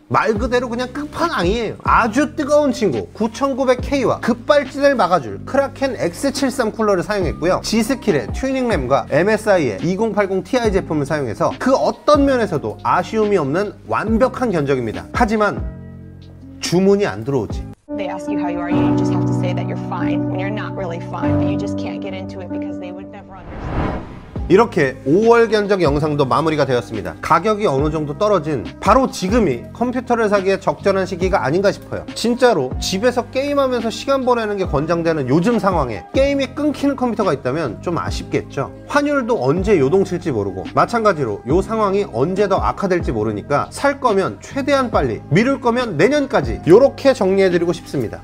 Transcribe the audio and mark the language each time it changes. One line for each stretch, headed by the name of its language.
Korean: 말 그대로 그냥 끝판왕이에요. 아주 뜨거운 친구 9900K와 급발진을 막아줄 크라켄 X73 쿨러를 사용했고요. 지스킬의 튜닝램과 MSI의 2080Ti 제품을 사용해서 그 어떤 면에서도 아쉬움이 없는 완벽한 견적입니다. 하지만 주문이 안 들어오지.
English: They ask you how you are, you just have to say that you're fine when you're not really fine, but you just can't get into it because they would never understand.
Korean: 이렇게 5월 견적 영상도 마무리가 되었습니다. 가격이 어느 정도 떨어진 바로 지금이 컴퓨터를 사기에 적절한 시기가 아닌가 싶어요. 진짜로 집에서 게임하면서 시간 보내는 게 권장되는 요즘 상황에 게임이 끊기는 컴퓨터가 있다면 좀 아쉽겠죠. 환율도 언제 요동칠지 모르고 마찬가지로 요 상황이 언제 더 악화될지 모르니까 살 거면 최대한 빨리, 미룰 거면 내년까지 요렇게 정리해드리고 싶습니다.